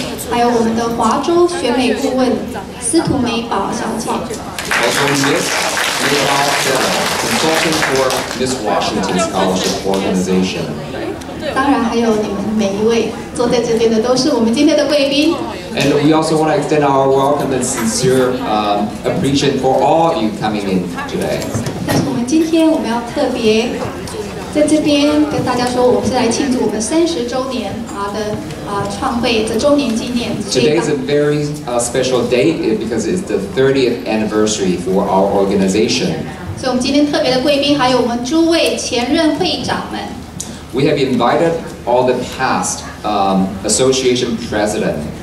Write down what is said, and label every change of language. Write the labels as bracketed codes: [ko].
[zh] 还有我们的华州选美顾问司徒美宝小姐。 [en] Also Miss Mayball Dao, consulting for Miss Washington Scholarship Organization。 [zh] 当然还有你们每一位坐在这边的都是我们今天的贵宾。 [en] And we also want to extend our welcome and sincere appreciation for all you coming in today. [zh] 但是我们今天我们要特别在这边跟大家说，我们是来庆祝我们30周年的创会的周年纪念。 [en] Today is a very special date because it's the 30th anniversary for our organization. [zh] 所以我们今天特别的贵宾还有我们诸位前任会长们。 [en] We have invited all the past association president.